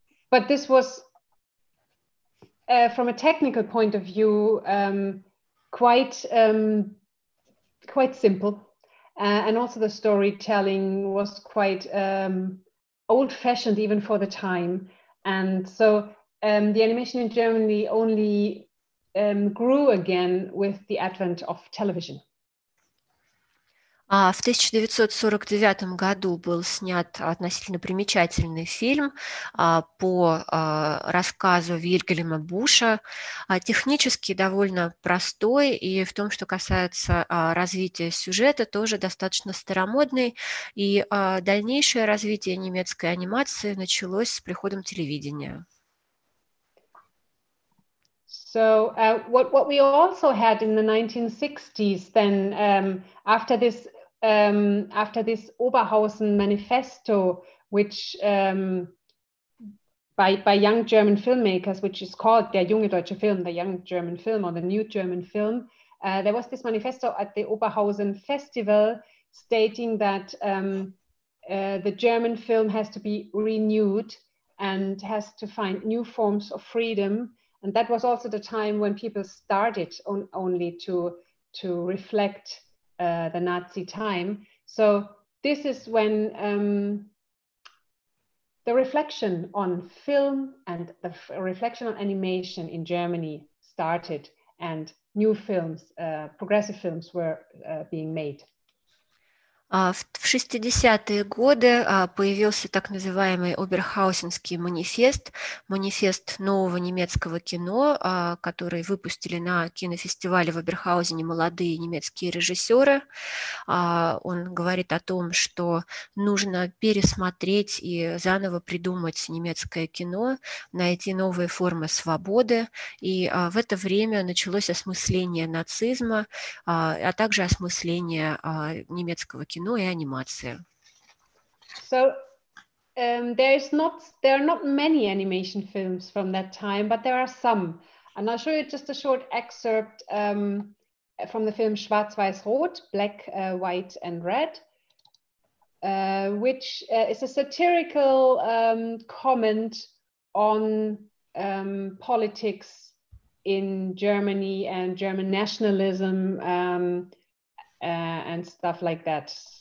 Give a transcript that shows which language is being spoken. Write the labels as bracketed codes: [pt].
[en] But this was, from a technical point of view, quite simple. And also the storytelling was quite old-fashioned even for the time. And so the animation in Germany only grew again with the advent of television. [ru] В 1949 году был снят относительно примечательный фильм по рассказу Вильгельма Буша. Технически довольно простой, и в том, что касается развития сюжета, тоже достаточно старомодный. И дальнейшее развитие немецкой анимации началось с приходом телевидения. [en] So what we also had in the 1960s, then after this Oberhausen manifesto, which by young German filmmakers, which is called Der junge deutsche Film, the young German film or the new German film, there was this manifesto at the Oberhausen Festival stating that the German film has to be renewed and has to find new forms of freedom. And that was also the time when people started only to reflect the Nazi time. So this is when the reflection on film and the reflection on animation in Germany started, and new films, progressive films, were being made. [ru] В 60-е годы появился так называемый Оберхаусенский манифест, манифест нового немецкого кино, который выпустили на кинофестивале в Оберхаузене молодые немецкие режиссеры. Он говорит о том, что нужно пересмотреть и заново придумать немецкое кино, найти новые формы свободы. И в это время началось осмысление нацизма, а также осмысление немецкого кино. Ну и анимация. [en] So there are not many animation films from that time, but there are some. And I'll show you just a short excerpt from the film Schwarz-Weiß-Rot, Black, White and Red, which is a satirical comment on politics in Germany and German nationalism and stuff like that.